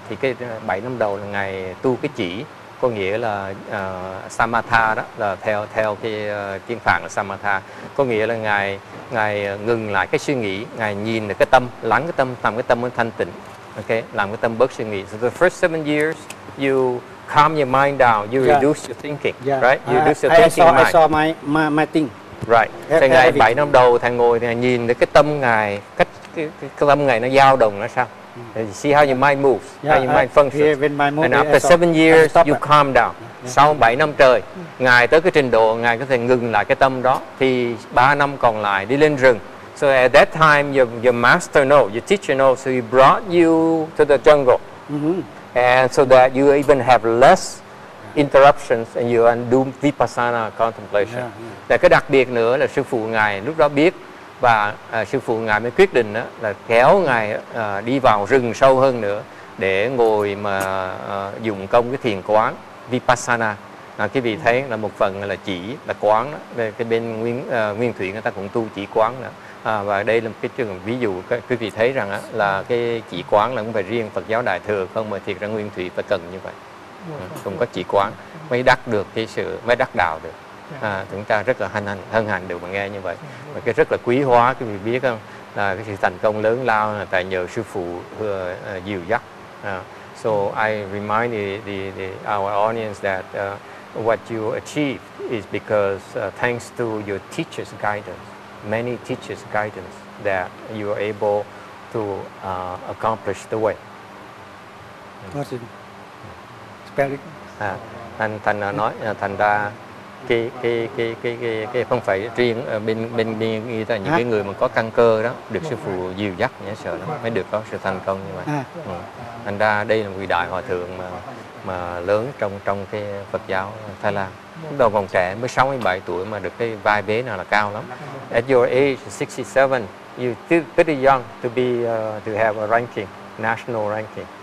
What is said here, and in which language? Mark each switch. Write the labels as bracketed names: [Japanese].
[Vietnamese] Thì cái 7 năm đầu là Ngài tu cái chỉ, có nghĩa là Samatha đó, là theo cái kiến phạm là Samatha, có nghĩa là Ngài ngừng lại cái suy nghĩ, Ngài nhìn được cái tâm, lắng cái tâm, làm cái tâm mới thanh tịnh, ok, làm cái tâm bớt suy nghĩ. [English] So the first 7 years you calm your mind down, you reduce your thinking, right? You reduce your thinking. I saw my thing. Right. [Vietnamese] Thì ngài 7 năm đầu thầy ngồi thì nhìn cái tâm ngài, cách cái tâm ngài nó dao động nó sao? [English] You see how your mind moves, how your mind functions. And after 7 years, you calm down. [Vietnamese] Sau 7 năm trời, ngài tới cái trình độ ngài có thể ngừng lại cái tâm đó. Thì 3 năm còn lại đi lên rừng. [English] So at that time, your master knows, your teacher knows. So he brought you to the jungle. And so that you even have less interruptions and you are doing vipassana contemplation. [Vietnamese] Và cái đặc biệt nữa là sư phụ ngài lúc đó biết và sư phụ ngài mới quyết định đó, là kéo ngài đi vào rừng sâu hơn nữa để ngồi mà dụng công cái thiền quán vipassana. Quý vị thấy là một phần là chỉ là quán đó. Cái bên nguyên thủy người ta cũng tu chỉ quán nữa. Và đây là một cái trường ví dụ quý vị thấy rằng là cái chỉ quán là không phải riêng Phật giáo Đại Thừa không, mà thiệt ra nguyên thủy phải cần như vậy. Không có chỉ quán mới đắc được cái sự, mới đắc đạo được. Chúng ta rất là hân hạnh được mà nghe như vậy. Và cái rất là quý hóa, quý vị biết không, là cái sự thành công lớn lao là tại nhờ sư phụ dìu dắt. [English] So I remind the our audience that what you achieve is because thanks to your teacher's guidance, many teachers' guidance, that you are able to accomplish the way. What's it? Spelling. [Vietnamese] Thành nói thành ra cái không phải riêng bên như là những cái người mà có căn cơ đó được sư phụ dìu dắt nhé, sợ lắm mới được có sự thành công như vậy. Thành ra đây là vị đại hòa thượng mà lớn trong cái Phật giáo Thái Lan. Lúc đầu còn trẻ mới 67 tuổi mà được cái vai vế nào là cao lắm. [English] At your age 67, you still pretty young to be to have a ranking, national ranking.